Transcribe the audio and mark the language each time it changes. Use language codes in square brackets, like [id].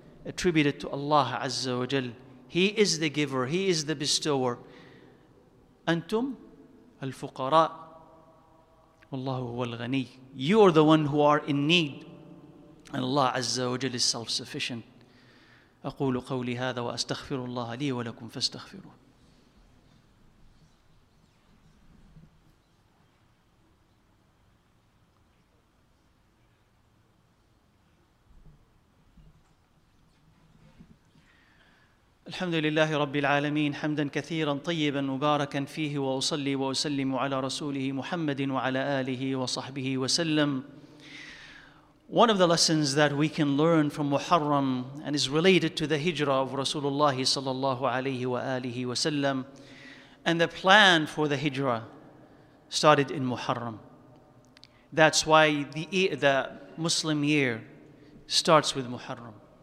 [en] Attribute it to Allah Azza wa Jal. He is the giver. He is the bestower. [ar] Antum al-fuqara. Wallahu huwa al-ghani. [en] You are the one who are in need. And Allah Azza wa Jal is self-sufficient. [ar] أقول قولي هذا وأستغفر الله لي ولكم فاستغفروه. الحمد لله رب العالمين حمدا كثيرا طيبا مباركا فيه وأصلي وأسلم على رسوله محمد وعلى آله وصحبه وسلم. [en] One of the lessons that we can learn from Muharram and is related to the hijrah of Rasulullah sallallahu alayhi wa alihi wa sallam, and the plan for the hijrah started in Muharram. That's why the Muslim year starts with Muharram.